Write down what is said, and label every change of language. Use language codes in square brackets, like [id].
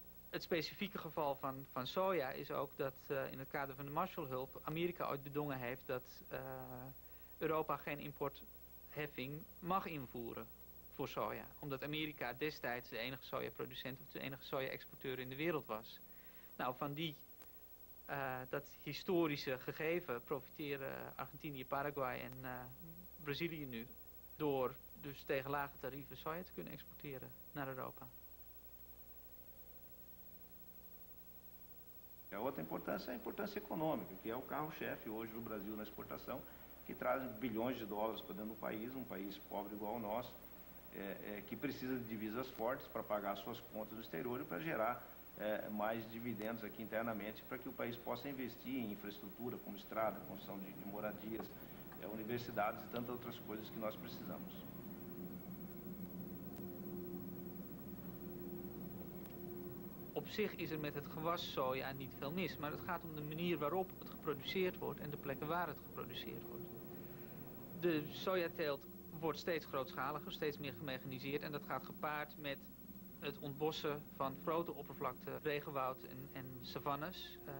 [nl] Het specifieke geval van soja is ook dat in het kader van de Marshallhulp Amerika ooit bedongen heeft dat Europa geen importheffing mag invoeren voor soja, omdat Amerika destijds de enige sojaproducent of de enige soja-exporteur in de wereld was. Nou, van die dat historische gegeven profiteren Argentinië, Paraguay en Brazilië nu door dus tegen lage tarieven soja te kunnen exporteren naar Europa. [pt] A outra importância é a importância econômica, que é o carro-chefe hoje do Brasil na exportação, que traz bilhões de dólares para dentro do país, um país pobre igual o nosso, que precisa de divisas fortes para pagar suas contas no exterior e para gerar mais dividendos aqui internamente, para que o país possa investir em infraestrutura, como estrada, construção de moradias, universidades e tantas outras coisas que nós precisamos. [nl] Op zich is er met het gewas soja niet veel mis, maar het gaat om de manier waarop het geproduceerd wordt en de plekken waar het geproduceerd wordt. De sojateelt wordt steeds grootschaliger, steeds meer gemechaniseerd en dat gaat gepaard met het ontbossen van grote oppervlakten, regenwoud en savannes.